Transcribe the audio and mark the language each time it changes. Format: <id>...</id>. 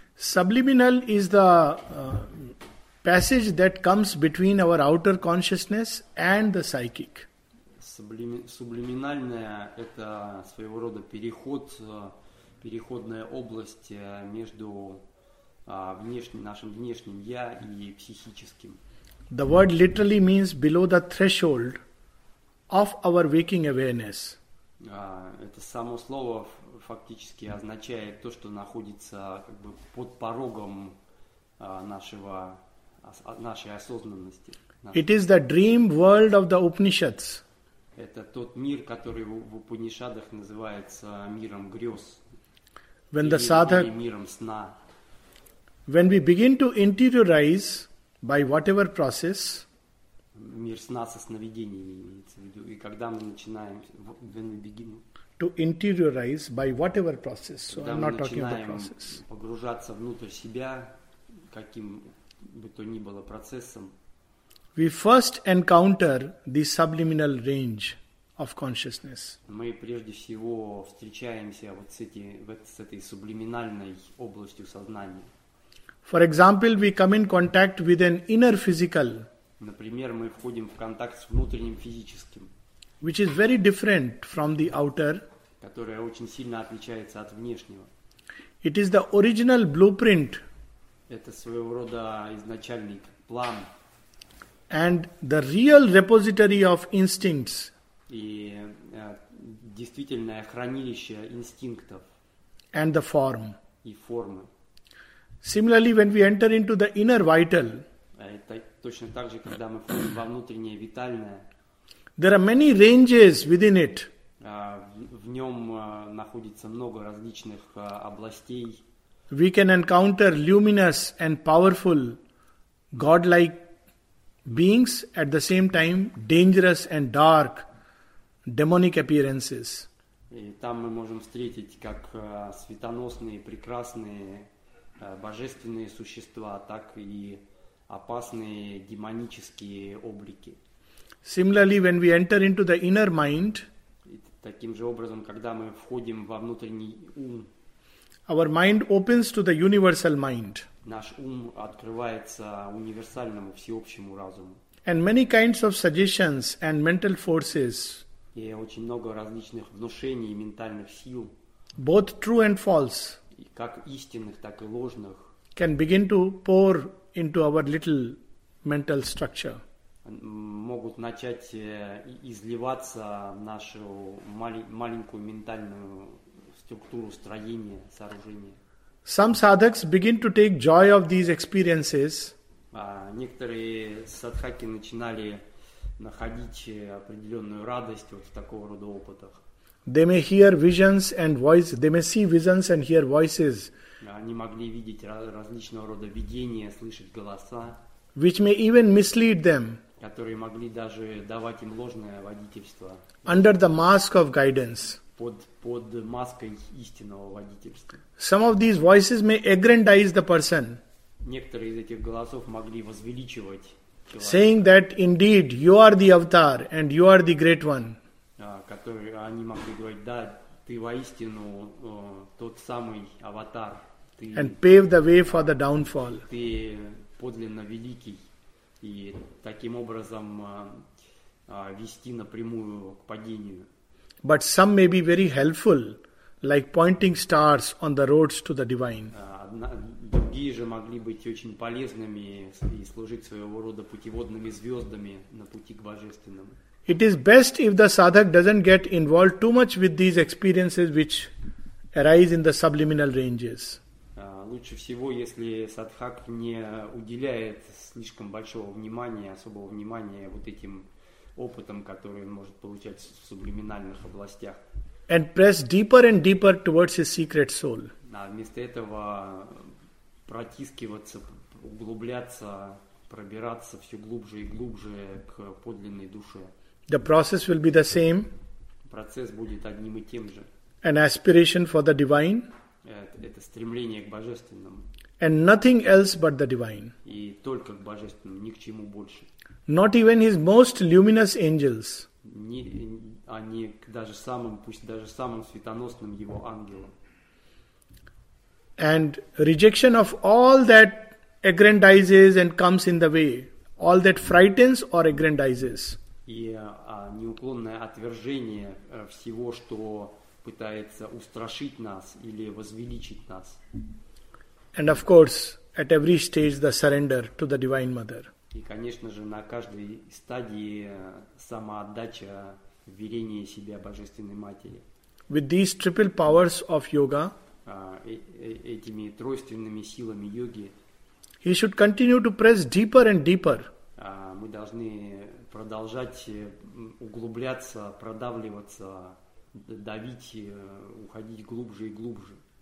<en>Subliminal is the passage that comes between our outer consciousness and the psychic.</en> <ru>Сублиминальное – это своего рода переход, переходная область между нашим внешним «я» и психическим.</ru> <en>The word literally means below the threshold of our waking awareness.</en> <ru>Это само слово фактически означает то, что находится как бы под порогом нашей осознанности.</ru> <en>It is the dream world of the Upanishads.</en> <ru>Это тот мир, который в Упанишадах называется миром грез.</ru> <en>When the sadhak,</en> <ru>миром сна.</ru> <en>When we begin to interiorize by whatever process,</en> <ru>мир сна со сновидениями имеется в виду. И когда мы начинаем,</ru> <en>when we begin, to interiorize by whatever process, so I'm not talking about process.</en> <ru>Погружаться внутрь себя, каким бы то ни было процессом,</ru> <en>we first encounter the subliminal range of consciousness.</en> <ru>Мы прежде всего встречаемся вот с этой сублиминальной областью сознания.</ru> <en>For example, we come in contact with an inner physical.</en> <ru>Например, мы входим в контакт с внутренним физическим.</ru> <en>Which is very different from the outer.</en> <ru>Которое очень сильно отличается от внешнего.</ru> <en>It is the original blueprint.</en> <ru>Это своего рода изначальный план.</ru> <en>And the real repository of instincts.</en> <ru>И действительное хранилище инстинктов.</ru> <en>And the form.</en> <ru>И формы.</ru> <en>Similarly, when we enter into the inner vital.</en> <ru>Это точно так же, когда мы входим во внутреннее витальное.</ru> <en>There are many ranges within it.</en> <ru>В нем находится много различных областей.</ru> <en>We can encounter luminous and powerful godlike beings at the same time dangerous and dark demonic appearances.</en> <ru>И там мы можем встретить как светоносные, прекрасные, божественные существа, так и опасные демонические облики.</ru> <en>Similarly, when we enter into the inner mind,</en> <ru>таким же образом, когда мы входим во внутренний ум,</ru> <en>our mind opens to the universal mind.</en> <ru>Наш ум открывается универсальному, всеобщему разуму.</ru> <en>And many kinds of suggestions and mental forces,</en> <ru>и очень много различных внушений и ментальных сил,</ru> <en>both true and false,</en> <ru>как истинных, так и ложных,</ru> <en>can begin to pour into our little mental structure.</en> <ru>Могут начать изливаться в нашу маленькую ментальную структуру, строение, сооружение.</ru> <en>Some sadhaks begin to take joy of these experiences.</en> <ru>Некоторые садхаки начинали находить определенную радость вот в такого рода опытах.</ru> <en>They may hear visions and voices. They may see visions and hear voices.</en> <ru>Они могли видеть различного рода видения, слышать голоса.</ru> <en>Which may even mislead them.</en> <ru>Которые могли даже давать им ложное водительство.</ru> <en>Under the mask of guidance.</en> <ru>Под маской истинного водительства.</ru> <en>Some of these voices may aggrandize the person.</en> <ru>Некоторые из этих голосов могли возвеличивать.</ru> <en>Saying that indeed you are the avatar and you are the great one.</en> <ru>Которые они могли говорить, да, ты воистину тот самый аватар. Ты,</ru> <en>and pave the way for the downfall.</en> <ru>Ты подлинно великий. И таким образом вести напрямую к падению.</ru> <en>But some may be very helpful, like pointing stars on the roads to the divine.</en> <ru>Другие же могли быть очень полезными и служить своего рода путеводными звездами на пути к божественному.</ru> <en>It is best if the sadhak doesn't get involved too much with these experiences which arise in the subliminal ranges.</en> <ru>Лучше всего, если садхак не уделяет слишком большого внимания, особого внимания вот этим опытам, которые он может получать в сублиминальных областях.</ru> <en>And press deeper and deeper towards his secret soul.</en> <ru>А вместо этого протискиваться, углубляться, пробираться все глубже и глубже к подлинной душе.</ru> <en>The process will be the same.</en> <ru>Процесс будет одним и тем же.</ru> <en>An aspiration for the divine.</en> <ru>Это стремление к божественному.</ru> <en>And nothing else but the divine.</en> <ru>И только к божественному, ни к чему больше.</ru> <en>Not even his most luminous angels.</en> <ru>Они даже самым, пусть даже самым светоносным его ангелам.</ru> <en>And rejection of all that aggrandizes and comes in the way, all that frightens or aggrandizes.</en> <ru>И неуклонное отвержение всего, что пытается устрашить нас или возвеличить нас.</ru> <en>And of course, at every stage, the surrender to the Divine Mother.</en> <ru>И, конечно же, на каждой стадии самоотдача, вверение себя Божественной Матери.</ru> <en>With these triple powers of yoga,</en> <ru>этими тройственными силами йоги,</ru> <en>he should continue to press deeper and deeper.</en> <ru>Мы должны продолжать углубляться, продавливаться, давить, уходить глубже и глубже.</ru>